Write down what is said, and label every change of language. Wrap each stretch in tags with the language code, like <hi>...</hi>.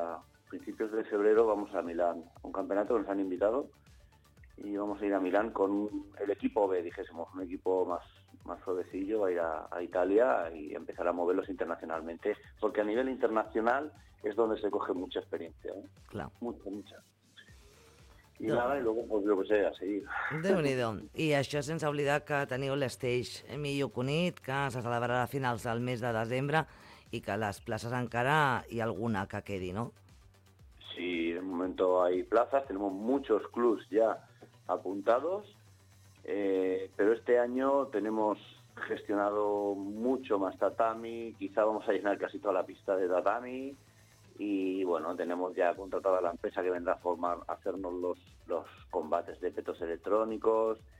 <es>A principios de febrero vamos a Milán. Un campeonato que nos han invitado y vamos a ir a Milán con el equipo B, dijésemos, un equipo más suavecillo, va a ir a Italia y empezar a moverlos internacionalmente. Porque a nivel internacional es donde se coge mucha experiencia, ¿eh? Claro. Mucha. I nada, i luego pues lo que sea, seguir.</es> <ca>Déu-n'hi-do. I això sense oblidar que teniu l'Stage Millo Cunit, que se celebrarà a finals del mes de desembre i que les places encara hi ha alguna que quedi, no?</ca> <es>Sí, de momento hay plazas, tenemos muchos clubs ya apuntados, pero este año tenemos gestionado mucho más tatami, quizá vamos a llenar casi toda la pista de tatami. Y bueno, tenemos ya contratada la empresa que vendrá a formar, a hacernos los combates de petos electrónicos.</es>